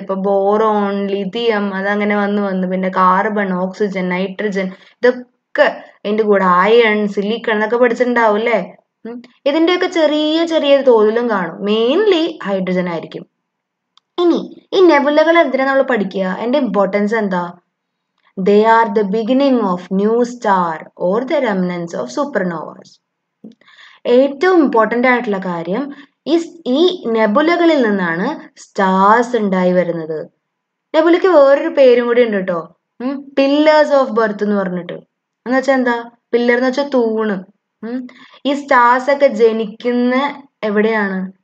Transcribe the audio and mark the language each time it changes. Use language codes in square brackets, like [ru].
[ml] ഇപ്പൊ boron, lithium, അതങ്ങനെ വന്നു വന്നു, പിന്നെ കാർബൺ, ഓക്സിജൻ, നൈട്രജൻ, ഇതൊക്കെ അതിന്റെ കൂടെ അയൺ, സിലിക്കൺ എന്നൊക്കെ പഠിച്ചിട്ടുണ്ടാവും അല്ലേ. ഇതിന്റെയൊക്കെ ചെറിയ ചെറിയ തോതിലും കാണും, മെയിൻലി ഹൈഡ്രജൻ ആയിരിക്കും. ഇനി ഈ നെബുലകൾ എന്തിനാ നമ്മൾ പഠിക്കുക? അതിന്റെ ഇമ്പോർട്ടൻസ് എന്താ? [en] They are the beginning of new star or the remnants of supernovas. [ml] ഏറ്റവും ഇമ്പോർട്ടൻ്റ് ആയിട്ടുള്ള കാര്യം ഈ നെബുലകളിൽ നിന്നാണ് സ്റ്റാർസ് ഉണ്ടായി വരുന്നത്. നെബുലയ്ക്ക് വേറൊരു പേരും കൂടി ഉണ്ട് കേട്ടോ, പില്ലേഴ്സ് ഓഫ് ബർത്ത് എന്ന് പറഞ്ഞിട്ട്. എന്നുവെച്ചാൽ എന്താ പില്ലർ എന്ന് വെച്ചാൽ തൂണ്. ഈ സ്റ്റാർസ് ഒക്കെ ജനിക്കുന്ന എവിടെയാണ്?